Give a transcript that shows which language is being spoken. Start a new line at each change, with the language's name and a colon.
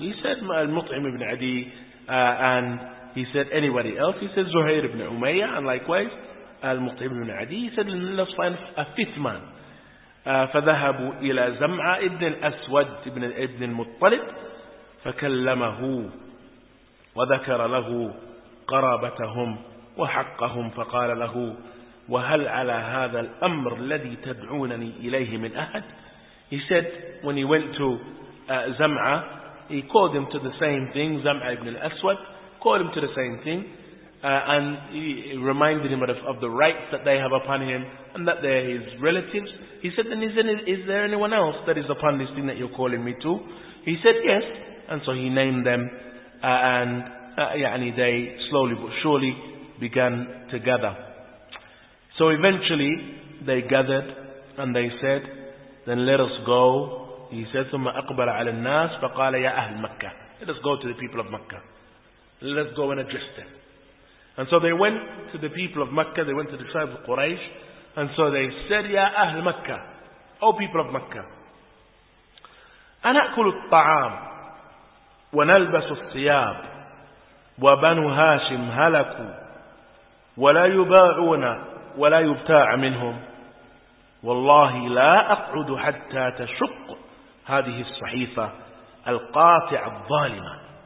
English: He said, al-Mut'im ibn Adi, and he said, anybody else? He said, Zuhair ibn Umayyah, and likewise, al-Mut'im ibn Adi. He said, let's find a fifth man.
Arabic: فَذَهَبُوا إِلَى زَمْعَى ابْنِ الْأَسْوَدِ ابْنِ الْمُطَّلِبِ فَكَلَّمَهُ وَذَكَرَ لَهُ قَرَابَتَهُمْ وحقهم، فقال له وهل على هذا الأمر الذي تدعونني إليه من أحد.
English: He said when he went to Zam'a, he called him to the same thing. Zam'a ibn al-Aswad called him to the same thing, and he reminded him of the rights that they have upon him and that they are his relatives. He said, then is there anyone else that is upon this thing that you're calling me to? He said yes, and so he named them, and يعني they slowly but surely began to gather. So eventually they gathered and they said, then let us go. He said,
Arabic: ثم أقبل على الناس فقال يا أهل مكة.
English: Let us go to the people of Mecca. Let us go and address them. And so they went to the people of Mecca, they went to the tribe of Quraysh, and so they said,
Arabic: يا أهل مكة,
English: O people of Mecca,
Arabic: أنأكل الطعام ونلبس الثياب وبنو هاشم هلكوا ولا يباعون ولا يبتاع منهم والله لا أقعد حتى تشق هذه الصحيفة القاطع الظالمة.